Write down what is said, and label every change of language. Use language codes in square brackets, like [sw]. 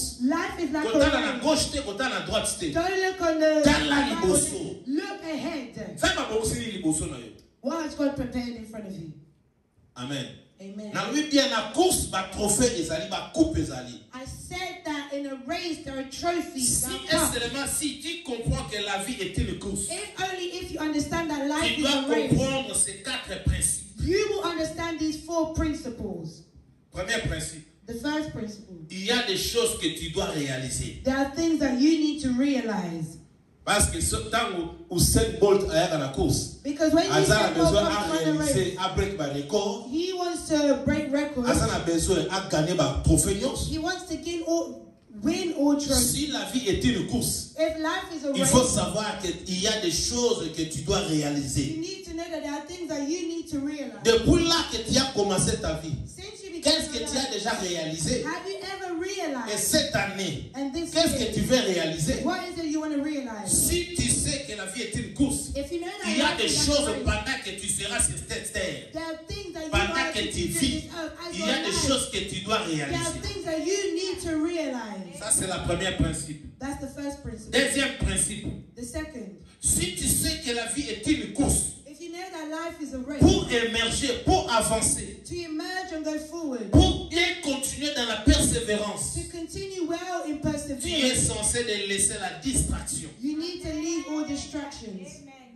[en] like a race. Don't look on the right. Look ahead. What has God prepared in front of you? Amen. Amen. Now we be in a course, but trophy is ali, but coupe is ali. I said that in a race there are trophies. [fr] Si seulement si tu comprends que la vie est une course. [en] If only if you understand that life [fr] tu [en] is a race. [fr] Tu dois comprendre ces quatre principes. [en] You will understand these four principles. [fr] Premier principe. [en] The first principle. [fr] Il y a des choses que tu dois réaliser. [en] There are things that you need to realize. [fr] Parce que ce temps où Usain Bolt a dans la course, Hazard a besoin à réaliser, à [en] break my record. He wants to break records. [fr] Hazard a besoin à gagner par trophée. [en] He wants to gain all, win all trophies. [fr] Si la vie est une course, [en] if life is a race, [fr] il faut savoir qu'il y a des choses que tu dois réaliser. [en] You need to know that there are things that you need to realize. [fr] Depuis là que tu as commencé ta vie, [en] since you began, [fr] qu'est-ce que tu as déjà réalisé? [en] Have you ever realized? [fr] Et cette année, [en] and this [fr] qu'est-ce [en] year, [fr] que tu veux réaliser? [en] What is it you want to realize? [fr] Si tu sais que la vie est une course, [en] if you know that [fr] il y a des choses pendant que tu seras sur cette terre, pendant que tu vis, il y a des choses que tu dois réaliser. [en] There are things that you need to realize. [fr] Ça, c'est le premier principe. [en] That's the first principle. [fr] Deuxième principe. [en] The second. [fr] Si tu sais que la vie est une course, [en] if you know that life is a race, [fr] pour émerger, pour avancer, [en] to emerge and go forward, [fr] pour bien continuer dans la persévérance, [en] to continue well in perseverance, [fr] tu es censé de laisser la distraction. [en] You need to leave all distractions.